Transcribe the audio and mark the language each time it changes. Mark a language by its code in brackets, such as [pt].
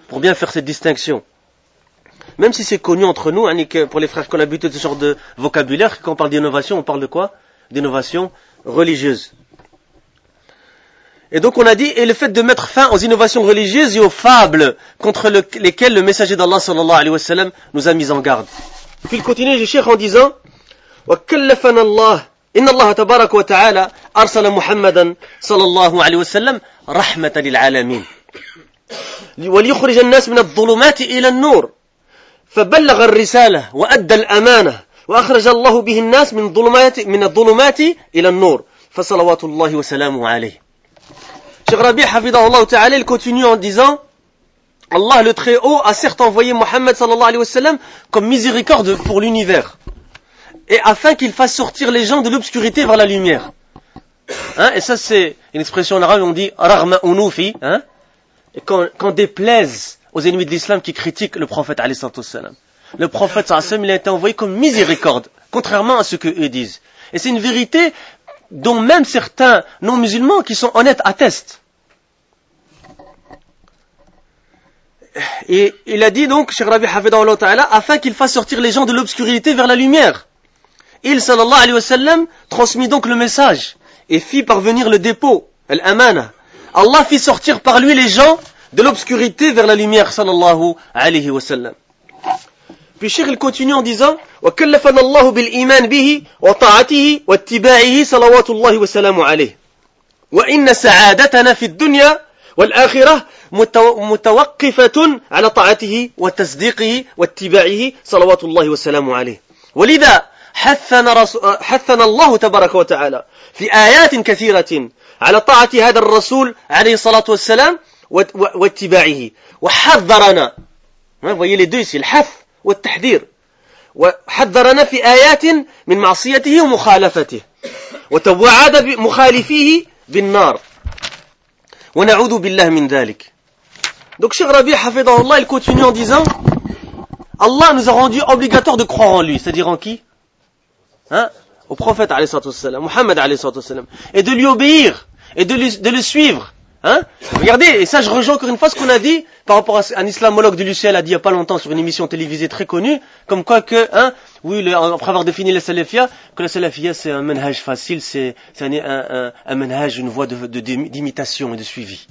[fr] Pour bien faire cette distinction. Même si c'est connu entre nous, hein, que pour les frères qui ont habitué ce genre de vocabulaire, quand on parle d'innovation, on parle de quoi? D'innovation religieuse. Et donc on a dit, et le fait de mettre fin aux innovations religieuses et aux fables contre lesquelles le messager d'Allah sallallahu alayhi wa sallam nous a mis en garde. Puis il continue, je cherche en disant, [ar] وكلفنا الله إن الله تبارك وتعالى أرسل محمدا صلى الله عليه وسلم رحمة للعالمين وليخرج الناس من الظلمات إلى النور فبلغ الرسالة وأدى الأمانة وأخرج الله به الناس من الظلمات إلى النور فصلوات الله وسلامه عليه. [fr] Cheikh Rabi' [ar] حفظه الله تعالى [fr] continue en disant, Allah le Très-Haut a certes envoyé Muhammad [ar] صلى الله عليه وسلم [fr] comme miséricorde pour l'univers, et afin qu'il fasse sortir les gens de l'obscurité vers la lumière. Hein? Et ça, c'est une expression en arabe, on dit « rahma unufi ». Hein? Et quand déplaise aux ennemis de l'islam qui critiquent le prophète alayhi sallatou salam. Le prophète sallallahu alayhi wa sallam a été envoyé comme miséricorde, contrairement à ce qu'eux disent. Et c'est une vérité dont même certains non-musulmans qui sont honnêtes attestent. Et il a dit donc, Cheikh Rabi Hafidhahullah Ta'ala, afin qu'il fasse sortir les gens de l'obscurité vers la lumière. Il, sallallahu alayhi wa sallam, transmit donc le message et fit parvenir le dépôt, l'amana. Allah fit sortir par lui les gens de l'obscurité vers la lumière, sallallahu alayhi wa sallam. Puis Cheikh, il continue en disant, [ar] وَكَلَّفَنَ اللَّهُ بِالْإِيمَانِ بِهِ وَطَاعَتِهِ وَاتِّبَاعِهِ صَلَوَاتُ اللَّهِ وَسَلَامُ عَلَيْهِ وَإِنَّ سَعَادَتَنَا فِي الدُّنْيَا وَالْآخِرَةِ مُتَوَقِّفَةٌ عَلَى طَاعَتِهِ وَتَصْدِيقِهِ وَاتِّبَاعِهِ صَلَوَاتُ اللَّهِ وَسَلَامُ عَلَيْهِ وَلِذَا حَثَّنَا اللَّهُ تَبَارَكَ وَتَعَالَى فِي آيَاتٍ كَثِيرَةٍ عَلَى طَاعَةِ هَذَا الرَّسُولِ عَلَيْهِ الصَّلَاةُ وَالسَّلَامُ وَاتِّبَاعِهِ وَحَذَّرَنَا [fr] voyez les deux ici, le haf ou le tahdir. [ar] وحذرنا في آيات من معصيته ومخالفته وتوعد بمخالفيه بالنار ونعوذ بالله من ذلك. [fr] Donc Cheikh Rabi Hafidhahu Allah, il continue en disant, Allah nous a rendu obligatoire de croire en lui, c'est-à-dire en qui? Hein? Au prophète alayhi sallatou salam, Muhammad alayhi sallatou salam, et de lui obéir et de le suivre. Hein? Regardez, et ça je rejoins encore une fois ce qu'on a dit par rapport à un islamologue de l'UCL a dit il n'y a pas longtemps sur une émission télévisée très connue, comme quoi que, hein, oui, après avoir défini la salafia, que la salafia c'est un manhaj facile, c'est un manhaj, une voie d'imitation et de suivi.